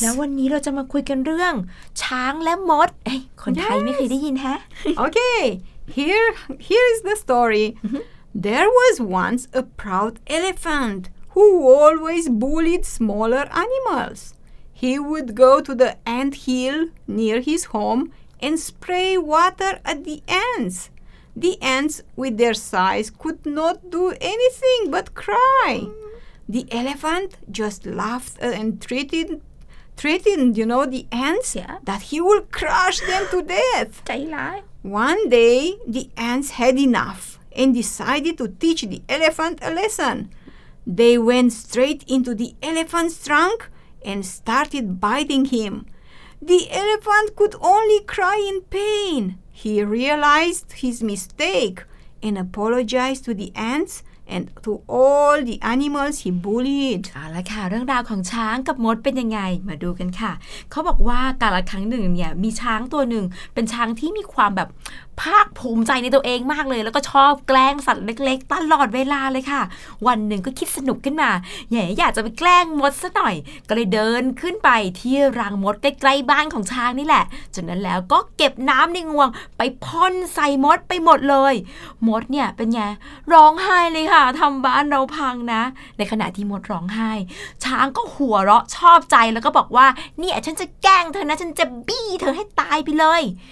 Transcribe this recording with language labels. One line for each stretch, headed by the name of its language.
Thai: แล้ววันนี้เราจะมาคุยกันเรื่องช้างและมดเอ้ยคน
English: yes.
Thai: ไทยไม่เคยได้ยินแฮะ
English: Okay, here is the story. There was once a proud elephant who always bullied smaller animals. He would go to the ant hill near his home and spray water at the ants. The ants, with their size, could not do anything but cry. The elephant just laughed and threatened, you know, the ants yeah. that he will crush them to death. One day, the ants had enough and decided to teach the elephant a lesson. They went straight into the elephant's trunk and started biting him. The elephant could only cry in pain. He realized his mistake and apologized to the ants. And to all the animals he bullied.
Thai: เอาละค่ะเรื่องราวของช้างกับมดเป็นยังไงมาดูกันค่ะเขาบอกว่ากาลครั้งหนึ่งเนี่ยมีช้างตัวหนึ่งเป็นช้างที่มีความแบบ ภาคภูมิใจในตัวเองมากเลยแล้วก็ชอบแกล้งสัตว์เล็กๆตลอดเวลาเลยค่ะวันหนึ่งก็คิดสนุกขึ้นมาใหญ่อยากจะไปแกล้งมดซะหน่อยก็เลยเดินขึ้นไปที่รังมดใกล้ๆบ้านของช้างนี่แหละจากนั้นแล้วก็เก็บน้ำในงวงไปพ่นใส่มดไปหมดเลยมดเนี่ยเป็นไงร้องไห้เลยค่ะทำบ้านเราพังนะในขณะที่มดร้องไห้ช้างก็หัวเราะชอบใจแล้วก็บอกว่าเนี่ยฉันจะแกล้งเธอนะฉันจะบี้เธอให้ตายไปเลย